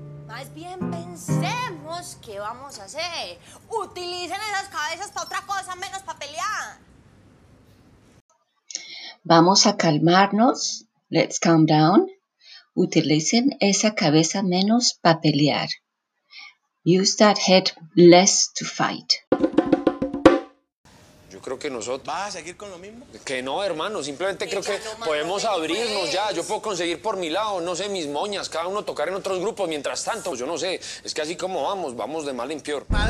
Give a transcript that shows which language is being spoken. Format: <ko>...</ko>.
<es>Más bien pensemos qué vamos a hacer. Utilicen esas cabezas para otra cosa menos para pelear. Vamos a calmarnos.</es> <en>Let's calm down.</en> <es>Utilicen esa cabeza menos para pelear.</es> <en>Use that head less to fight.</en> <es>Yo creo que nosotros... ¿Vas a seguir con lo mismo? Que no, hermano. Simplemente creo que podemos abrirnos ya. Yo puedo conseguir por mi lado, no sé, mis moñas. Cada uno tocar en otros grupos mientras tanto. Yo no sé. Es que así como vamos, vamos de mal en peor.</es>